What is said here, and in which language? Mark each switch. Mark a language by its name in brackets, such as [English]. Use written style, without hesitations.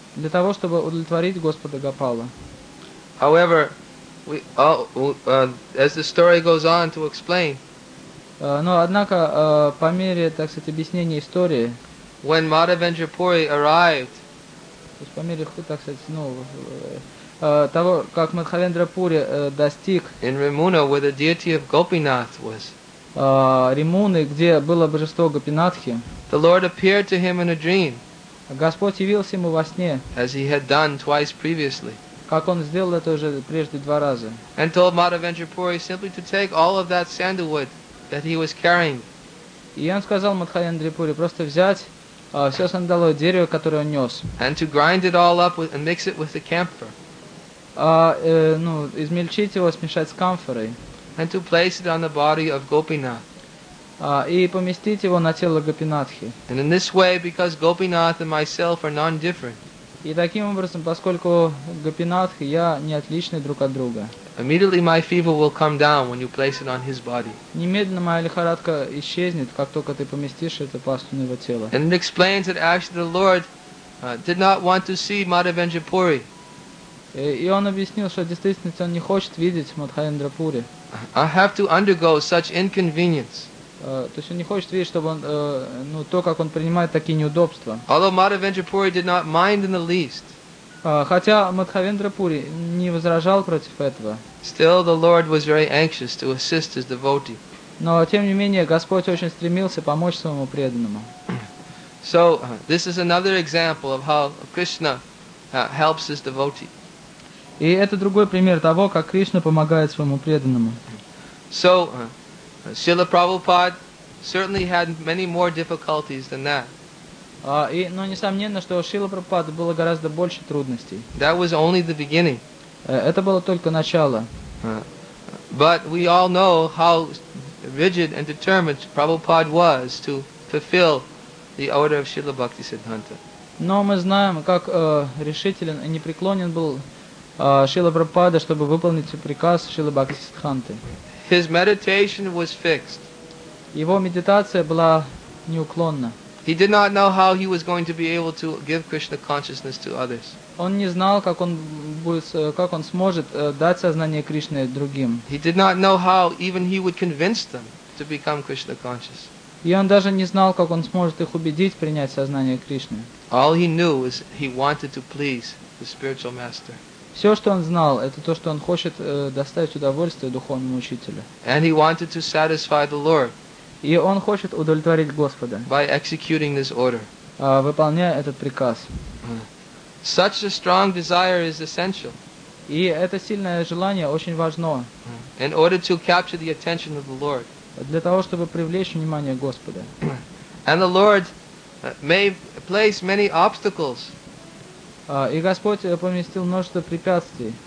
[Russian] Для того, чтобы удовлетворить Господа Гопала. [English] However, as the story goes on to explain. [Russian] Но однако по мере, так сказать, объяснения истории. [English] When Madhavendra Puri arrived. [Russian] То есть по мере, так сказать, того, как Мадхавендра Пури достиг. [English] In Rimuna, where the deity of Gopinath was. [Russian] Римуны, где было божество Гопинатхи. [English] The Lord appeared to him in a dream. [Russian] Господь явился ему во сне. [English] As he had done twice previously. [Russian] Как он сделал это уже прежде два раза. [English] And told Madhavendra Puri simply to take all of that sandalwood that he was carrying. [Russian] И он сказал Мадхавендре Пури просто взять все сандаловое дерево, которое он нес. [English] And to grind it all up and mix it with the camphor. [Russian] Измельчить его, смешать с камфорой. [English] And to place it on the body of Gopinath. [Russian] И поместить его на тело Гопинатхи. [English] And in this way, because Gopinath and myself are non-different. [Russian] И таким образом, поскольку Гопинатх и я не отличны друг от друга. [English] Immediately my fever will come down when you place it on his body. [Russian] Немедленно моя лихорадка исчезнет, как только ты поместишь эту пасту на его тело. [English] And it explains that actually the Lord did not want to see Madhavendra Puri. [Russian] И он объяснил, что в действительности он не хочет видеть Мадхавендра Пури. [English] I have to undergo such inconvenience. [Russian] То есть он не хочет видеть, чтобы он, то, как он принимает такие неудобства. [English] Although Madhavendra Puri did not mind in the least. [Russian] Хотя Мадхавендра Пури не возражал против этого. [English] Still, the Lord was very anxious to assist his devotee. [Russian] Но тем не менее Господь очень стремился помочь своему преданному. [English] So this is another example of how Krishna helps his devotee. [Russian] И это другой пример того, как Кришна помогает своему преданному. [English] So, Srila Prabhupada certainly had many more difficulties than that. [Russian] Но несомненно, что у Шрилы Прабхупады было гораздо больше трудностей. [English] That was only the beginning. [Russian] Это было только начало. [English] But we all know how rigid and determined Prabhupada was to fulfill the order of Srila Bhaktisiddhanta. [Russian] Но мы знаем, как решителен и непреклонен был Шрила Прабхупада, чтобы выполнить приказ Шрилы Бхактисиддханты. [English] His meditation was fixed. [Russian] Его медитация была неуклонна. [English] He did not know how he was going to be able to give Krishna consciousness to others. [Russian] Он не знал, как он будет, как он сможет дать сознание Кришны другим. [English] He did not know how even he would convince them to become Krishna conscious. [Russian] И он даже не знал, как он сможет их убедить принять сознание Кришны. [English] All he knew is he wanted to please the spiritual master. [Russian] Все, что он знал, это то, что он хочет доставить удовольствие духовному учителю. [English] And he wanted to satisfy the Lord. [Russian] И он хочет удовлетворить Господа. [English] By executing this order. [Russian] Выполняя этот приказ. [English] Such a strong desire is essential. [Russian] И это сильное желание очень важно. [English] In order to capture the attention of the Lord. [Russian] Для того, чтобы привлечь внимание Господа. [English] And the Lord may place many obstacles. [Russian] И Господь поместил множество препятствий.